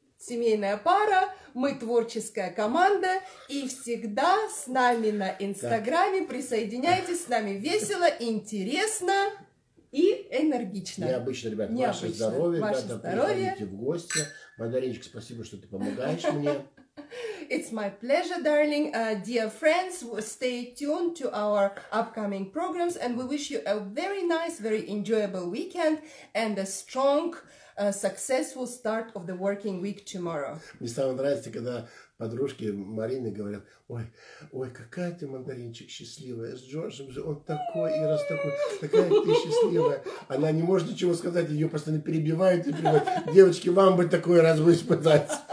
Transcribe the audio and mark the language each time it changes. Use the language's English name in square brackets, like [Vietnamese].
[Russian] Семейная пара, мы творческая команда, и всегда с нами на Инстаграме, присоединяйтесь с нами весело, интересно и энергично. Необычно, ребят, необычно. Ваше здоровье, ребята, здоровье. Приходите в гости. Мадариночка, спасибо, что ты помогаешь мне. [English] It's my pleasure, darling. Dear friends, stay tuned to our upcoming programs, and we wish you a very nice, very enjoyable weekend and a strong... A successful start of the working week tomorrow. [Russian] Мне самое нравится, когда подружки Марины говорят, ой, какая ты мандаринчик счастливая с Джорджем, он такой, и раз такой, такая ты счастливая. Она не может ничего сказать, ее постоянно перебивают и прибывают. Девочки, вам бы такое разве испытать.